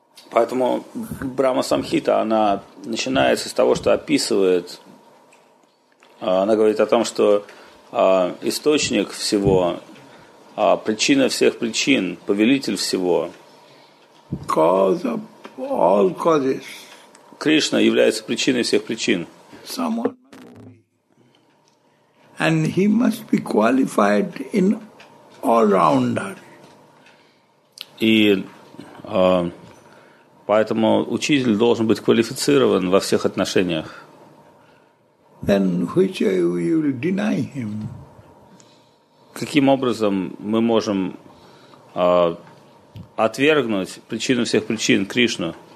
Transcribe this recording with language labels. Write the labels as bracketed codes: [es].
[ru] Поэтому Брахма Самхита, она начинается с того, что описывает, она говорит о том, что источник всего, причина всех причин, повелитель всего. [en] Cause of all causes. [ru] Кришна является причиной всех причин. [en] And he must be qualified in all-rounder. [ru] И поэтому учитель должен быть квалифицирован во всех отношениях. [en] Then which way will deny him? [ru] Каким образом мы можем отвергнуть причину всех причин, Кришну?